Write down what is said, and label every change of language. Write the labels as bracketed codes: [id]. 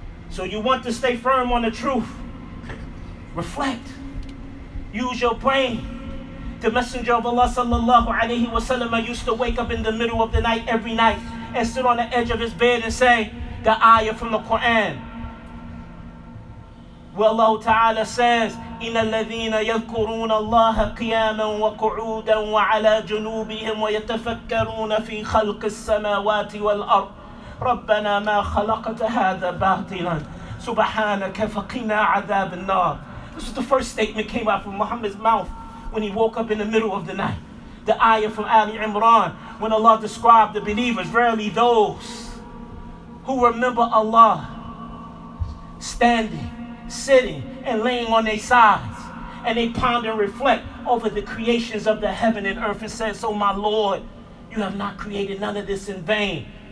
[en] So you want to stay firm on the truth. Reflect. Use your brain. The Messenger of Allah sallallahu alayhi wa sallam used to wake up in the middle of the night every night and sit on the edge of his bed and say the ayah from the Quran. Where Allah ta'ala says, [ar] إِنَ الَّذِينَ يَذْكُرُونَ اللَّهَ قِيَامًا وَقُعُودًا وَعَلَى جُنُوبِهِمْ وَيَتَفَكَّرُونَ فِي خَلْقِ السَّمَاوَاتِ وَالْأَرْضِ رَبَّنَا مَا خَلَقْتَ هَذَا بَاطِلًا سُبْحَانَكَ فَقِنَا عَذَابَ النَّارِ. [en] This was the first statement came out from Muhammad's mouth when he woke up in the middle of the night. The ayah from Ali Imran, when Allah described the believers, verily those who remember Allah standing, sitting, and laying on their sides, and they ponder and reflect over the creations of the heaven and earth and said, so my Lord, you have not created none of this in vain.